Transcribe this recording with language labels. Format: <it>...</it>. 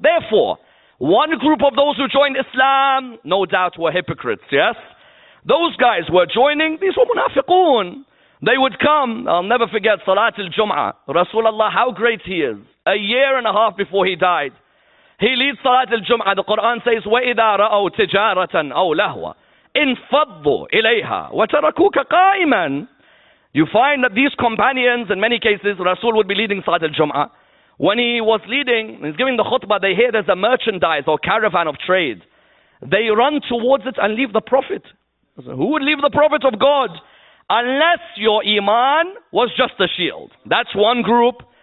<en>Therefore, one group of those who joined Islam, no doubt, were hypocrites, yes? Those guys were joining, these were munafiqoon. They would come, I'll never forget, Salat al-Jum'ah. Rasulullah, how great he is. A year and a half before he died, he leads Salat al-Jum'ah. The Quran says,</en> <ar>وَإِذَا رَأَوْ تِجَارَةً أَوْ لَهْوَ إِنْفَضُّوا إِلَيْهَا وَتَرَكُوكَ قَائِمًا.</ar> <en>You find that these companions, in many cases, Rasul would be leading Salat al-Jum'ah. When he was leading, he's giving the khutbah, they hear there's a merchandise or caravan of trade. They run towards it and leave the Prophet. So who would leave the Prophet of God? Unless your iman was just a shield. That's one group.</en>